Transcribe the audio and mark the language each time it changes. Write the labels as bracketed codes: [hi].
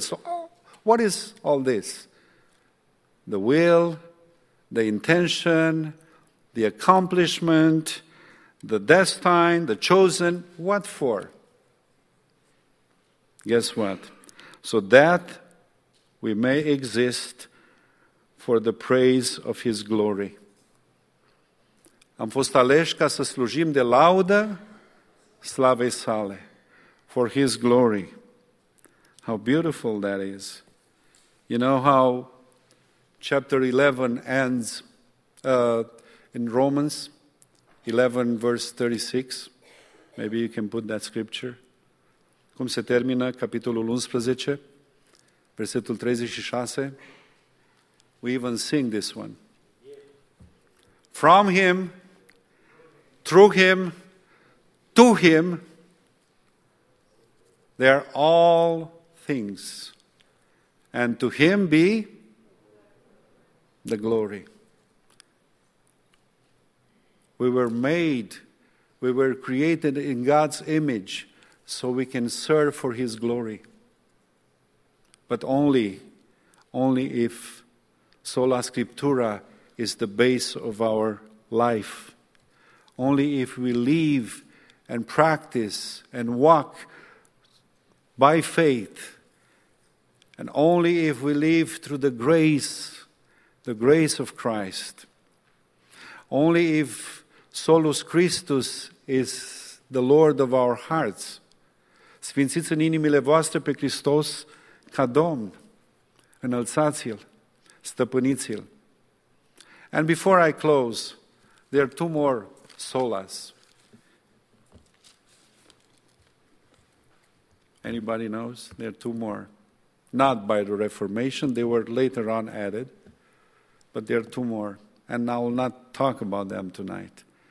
[en] So what is all this? The will, the intention, the accomplishment, the destined, the chosen. What for? Guess what? So that we may exist for the praise of his glory. [ro] Am fost aleși ca să slujim de laudă slavei sale, [en] for his glory. How beautiful that is. You know how chapter 11 ends in Romans 11, verse 36? Maybe you can put that scripture. [ro] Cum se termină capitolul 11, versetul 36? [en] We even sing this one. From him, through him, to him, they are all things. And to him be the glory. We were made, we were created in God's image so we can serve for his glory. But only if sola scriptura is the base of our life. Only if we live and practice and walk by faith, and only if we live through the grace of Christ, only if solus Christus is the Lord of our hearts. [ro] Sfințiți în inimile voastre pe Hristos ca Domn. Înălțați-L, stăpâniți-L. [en] And before I close, there are two more solas. Anybody knows? There are two more. not by the Reformation. They were later on added, but there are two more, and I will not talk about them tonight.